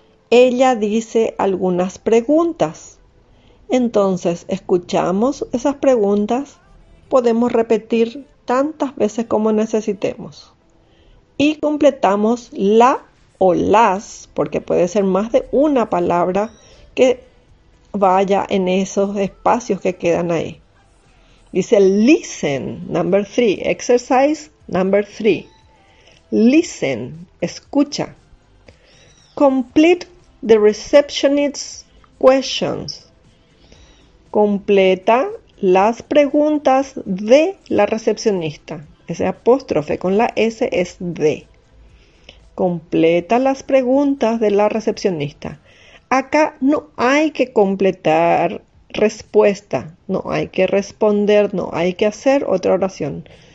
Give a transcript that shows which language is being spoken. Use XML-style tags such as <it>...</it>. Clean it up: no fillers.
<es>Ella dice algunas preguntas. Entonces escuchamos esas preguntas, podemos repetir tantas veces como necesitemos y completamos la o las, porque puede ser más de una palabra que vaya en esos espacios que quedan ahí. Dice</es> <en>listen, number three, exercise number three. Listen,</en> <es>escucha.</es> <en>Complete the receptionist's questions.</en> <es>Completa las preguntas de la recepcionista. Ese apóstrofe con la S es de. Completa las preguntas de la recepcionista. Acá no hay que completar respuesta, no hay que responder, no hay que hacer otra oración.</es>